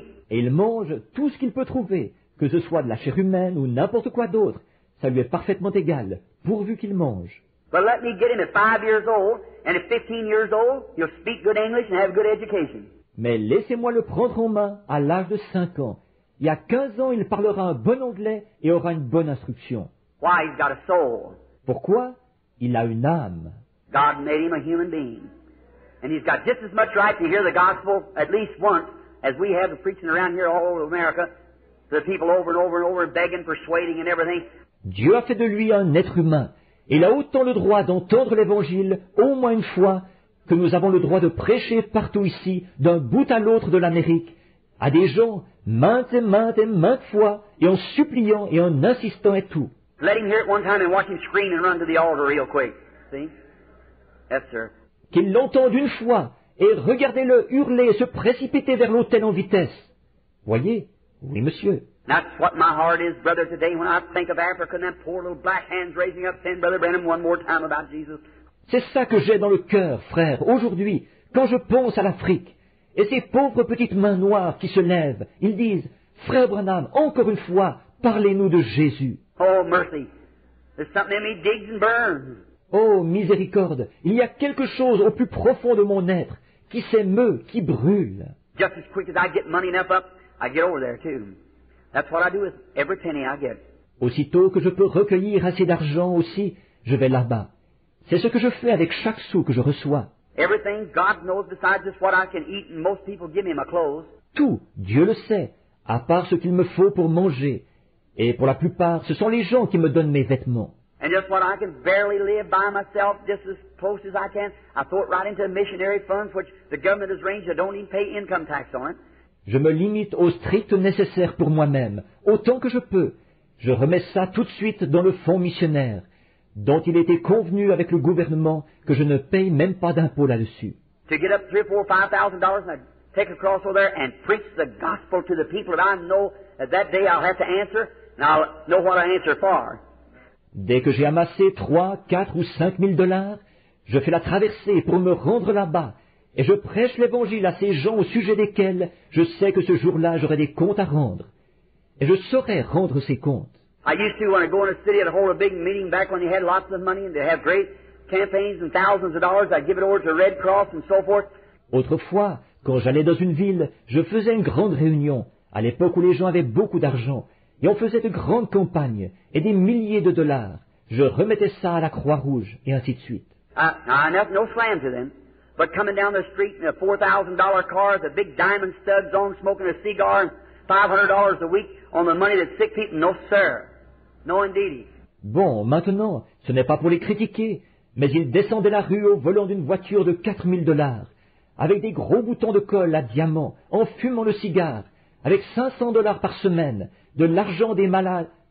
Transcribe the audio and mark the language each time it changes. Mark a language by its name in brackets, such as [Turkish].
[French] Et il mange tout ce qu'il peut trouver, que ce soit de la chair humaine ou n'importe quoi d'autre. Ça lui est parfaitement égal, pourvu qu'il mange. [English] But let me get him at 5 years old, and at 15 years old, he'll speak good English and have a good education. [French] Mais laissez-moi le prendre en main à l'âge de 5 ans. Il y a 15 ans, il parlera un bon anglais et aura une bonne instruction. [English] Why, he's got a soul. [French] Pourquoi? Il a une âme. [English] God made him a human being. And he's got just as much right to hear the gospel at least once as we have preaching around here all over America to the people over and over and over begging, persuading and everything. [French] Dieu a fait de lui un être humain. Il a autant le droit d'entendre l'évangile au moins une fois que nous avons le droit de prêcher partout ici, d'un bout à l'autre de l'Amérique, à des gens maintes et maintes et maintes fois, et en suppliant et en insistant et tout. [English] Let him hear it one time and watch him scream and run to the altar real quick. See? Yes, sir. [French] Qu'il l'entende une fois et regardez-le hurler, se précipiter vers l'autel en vitesse. Voyez? Oui, monsieur. [English] That's what my heart is, brother, today when I think of Africa and them poor little black hands raising up saying, Brother Branham, one more time about Jesus. [French] C'est ça que j'ai dans le cœur, frère, aujourd'hui, quand je pense à l'Afrique, et ces pauvres petites mains noires qui se lèvent, ils disent, Frère Branham, encore une fois, parlez-nous de Jésus. [English] Oh, mercy. There's something in me digs and burns. [French] Oh, miséricorde, il y a quelque chose au plus profond de mon être qui s'émeut, qui brûle. [English] Just as quick as I get money enough up, I get over there too. That's what I do with every penny I get. [French] Aussitôt que je peux recueillir assez d'argent aussi, je vais là-bas. C'est ce que je fais avec chaque sou que je reçois. [English] Everything God knows besides just what I can eat and most people give me my clothes. [French] Tout, Dieu le sait, à part ce qu'il me faut pour manger. Et pour la plupart, ce sont les gens qui me donnent mes vêtements. [English] And just what I can barely live by myself, just as close as I can, I throw it right into a missionary fund which the government has arranged. I don't even pay income tax on it. [French] Je me limite au strict nécessaire pour moi-même, autant que je peux. Je remets ça tout de suite dans le fonds missionnaire, dont il était convenu avec le gouvernement que je ne paye même pas d'impôt là-dessus. [English] To get up $3,000 or $5,000, and I take a cross over there and preach the gospel to the people that I know that day I'll have to answer, and I'll know what I answer for. [French] Dès que j'ai amassé $3,000, $4,000 or $5,000, je fais la traversée pour me rendre là-bas. Et je prêche l'Évangile à ces gens au sujet desquels je sais que ce jour-là j'aurai des comptes à rendre. Et je saurai rendre ces comptes. [English] I used to, when I go in a city, I'd hold a big meeting back when they had lots of money and they have great campaigns and thousands of dollars. I'd give it over to Red Cross and so forth. [French] Autrefois, quand j'allais dans une ville, je faisais une grande réunion, à l'époque où les gens avaient beaucoup d'argent, et on faisait de grandes campagnes et des milliers de dollars. Je remettais ça à la Croix-Rouge et ainsi de suite. [English] No slam to them. But coming down the street in a $4,000 car with a big diamond studs on, smoking a cigar, and $500 a week on the money that sick people, no sir. No indeedy. [French] Bon, maintenant, ce n'est pas pour les critiquer, mais ils descendaient la rue au volant d'une voiture de $4,000, avec des gros boutons de colle à diamants, en fumant le cigare, avec $500 par semaine, de l'argent des malades.